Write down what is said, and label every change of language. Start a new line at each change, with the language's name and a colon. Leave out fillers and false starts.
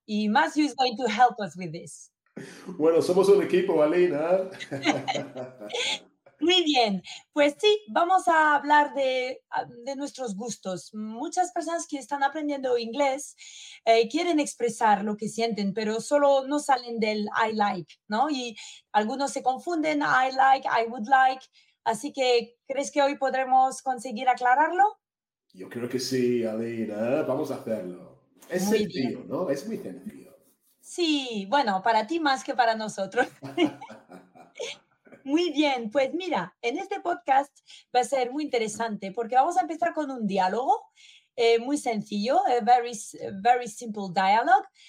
English: Y Matthew is going to help us with this.
Spanish: Bueno, somos un equipo, Alina. Muy bien. Pues sí, vamos a hablar de nuestros gustos. Muchas personas que están aprendiendo inglés quieren expresar lo que sienten, pero solo no salen del I like, ¿no? Y algunos se confunden, I like, I would like. Así que, ¿crees que hoy podremos conseguir aclararlo? Yo creo que sí, Alina. Vamos a hacerlo. Es muy sencillo, bien. ¿No? Es muy sencillo. Sí, bueno, para ti más que para nosotros. Muy bien, pues mira, en este podcast va a ser muy interesante porque vamos a empezar con un diálogo muy sencillo,
English: a very, very simple dialogue.